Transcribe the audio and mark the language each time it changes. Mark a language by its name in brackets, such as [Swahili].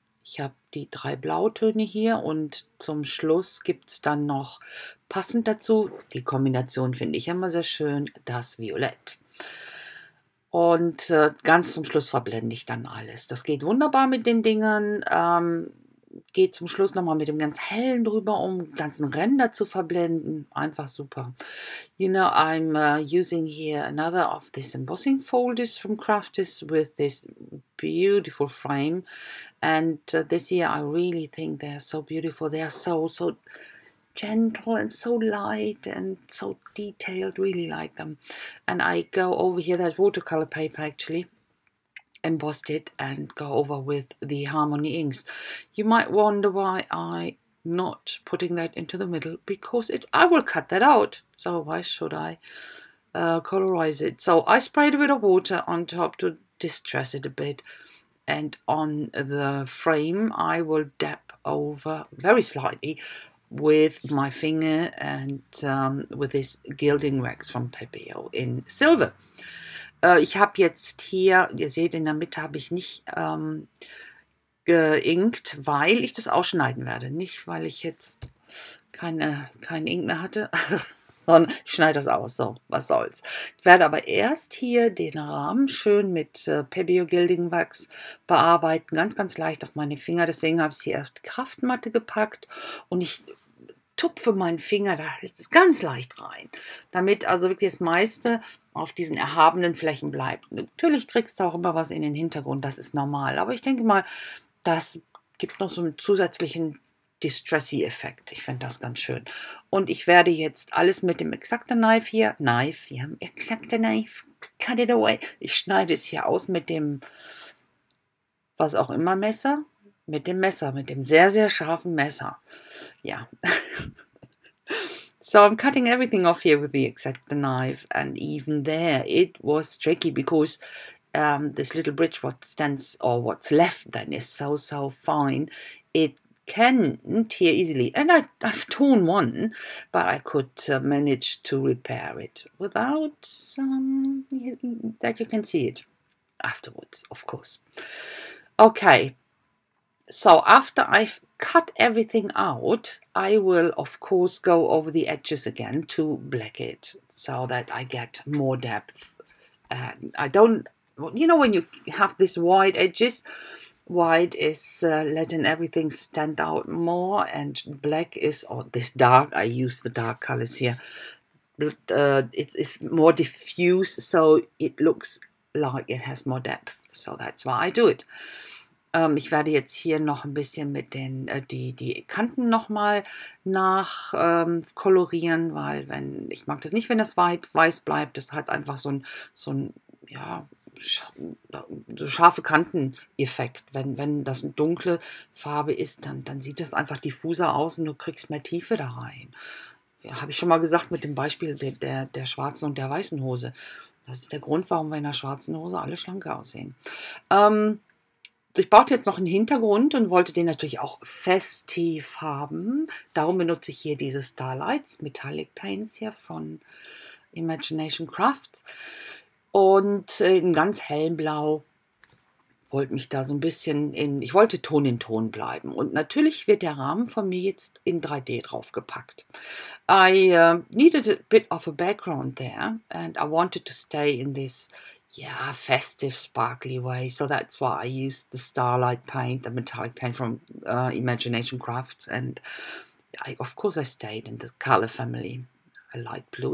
[German] Ich habe die drei Blautöne hier und zum Schluss gibt es dann noch passend dazu, die Kombination finde ich immer sehr schön, das Violett. Und ganz zum Schluss verblende ich dann alles. Das geht wunderbar mit den Dingern. Geht zum Schluss nochmal mit dem ganz hellen drüber, um ganzen Ränder zu verblenden. Einfach super. [English] You know, I'm using here another of these embossing folders from Crafters with this beautiful frame. And this year I really think they are so beautiful. They are so gentle and so light and so detailed, really like them. And I go over here, that watercolor paper actually, embossed it and go over with the Harmony inks. You might wonder why I not putting that into the middle, because I will cut that out. So why should I colorize it? So I sprayed a bit of water on top to distress it a bit. And on the frame, I will dab over very slightly with my finger and with this Gilding Wax from Pepeo in Silver. [German] Ich habe jetzt hier, ihr seht, in der Mitte habe ich nicht geinkt, weil ich das ausschneiden werde. Nicht, weil ich jetzt kein Ink mehr hatte, sondern ich schneide das aus. So, was soll's. Ich werde aber erst hier den Rahmen schön mit Pepeo Gilding Wax bearbeiten. Ganz, ganz leicht auf meine Finger. Deswegen habe ich hier erst Kraftmatte gepackt und ich tupfe meinen Finger da jetzt ganz leicht rein, damit also wirklich das meiste auf diesen erhabenen Flächen bleibt. Natürlich kriegst du auch immer was in den Hintergrund, das ist normal. Aber ich denke mal, das gibt noch so einen zusätzlichen Distressy-Effekt. Ich finde das ganz schön. Und ich werde jetzt alles mit dem Exacto Knife, [English] cut it away. [German] Ich schneide es hier aus mit dem, was auch immer, Messer. Mit dem Messer, mit dem sehr, sehr scharfen Messer. Ja. [English] So, I'm cutting everything off here with the X-Acto knife. And even there, it was tricky because this little bridge, what stands or what's left then, is so, so fine. It can tear easily. And I've torn one, but I could manage to repair it without that you can see it afterwards, of course. Okay. So, after I've cut everything out, I will of course go over the edges again to black it so that I get more depth. And I don't, you know, when you have these wide edges, white is letting everything stand out more, and black is, or this dark, I use the dark colors here, it's more diffuse, so it looks like it has more depth. So, that's why I do it. [German] Ich werde jetzt hier noch ein bisschen mit den die Kanten nochmal nach kolorieren, weil wenn ich mag das nicht, wenn das weiß bleibt, das hat einfach so scharfe Kanteneffekt. Wenn das eine dunkle Farbe ist, dann sieht das einfach diffuser aus und du kriegst mehr Tiefe da rein. Ja, habe ich schon mal gesagt mit dem Beispiel der schwarzen und der weißen Hose. Das ist der Grund, warum wir in der schwarzen Hose alle schlanker aussehen. Ich baute jetzt noch einen Hintergrund und wollte den natürlich auch festiv haben. Darum benutze ich hier diese Starlights, Metallic Paints hier von Imagination Crafts. Und in ganz hellem Blau wollte mich da so ein bisschen in. Ich wollte Ton in Ton bleiben. Und natürlich wird der Rahmen von mir jetzt in 3D draufgepackt. [English] I needed a bit of a background there and I wanted to stay in this. Yeah, festive, sparkly way. So that's why I use the Starlight paint, the metallic paint from Imagination Crafts. And of course, I stayed in the color family. A light blue.